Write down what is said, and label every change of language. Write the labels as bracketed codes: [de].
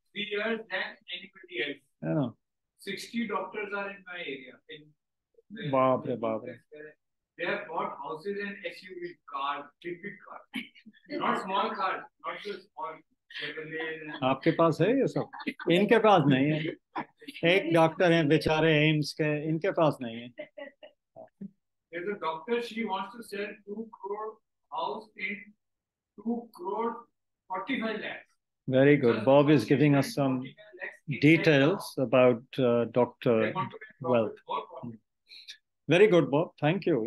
[en] 3 years than anybody else. Yeah. 60 doctors are in my area. [hi] Baap re. [en] They have bought houses and SUVs, cars, big cars. Not small cars, not just small Chevrolet. [hi] आपके पास है ये सब? इनके पास नहीं है. एक doctor हैं बेचारे एम्स के, इनके पास नहीं है. [en] There's a doctor, she wants to sell 2 crore house in 2 crore 45 lakhs. Very good. Bob is giving us some details about Dr. Wealth. Very good, Bob. Thank you.